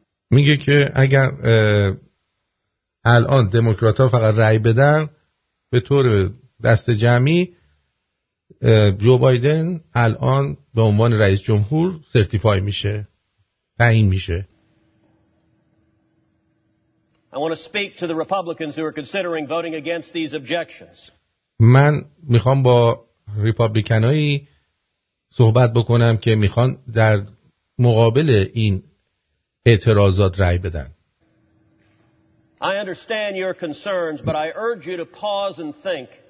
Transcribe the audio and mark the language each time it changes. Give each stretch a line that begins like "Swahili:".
Persian: میگه که اگر الان دموکرات‌ها فقط رأی بدن، به طور دست جمعی جو بایدن الان به عنوان رئیس جمهور سرتیفای میشه، تعیین میشه.
English: I want to speak to the Republicans who are considering voting against these objections.
Persian: من میخوام با ریپابلیکنایی صحبت بکنم که میخوان در مقابل این اعتراضات رأی بدن.
English: I understand your concerns, but I urge you to pause and think.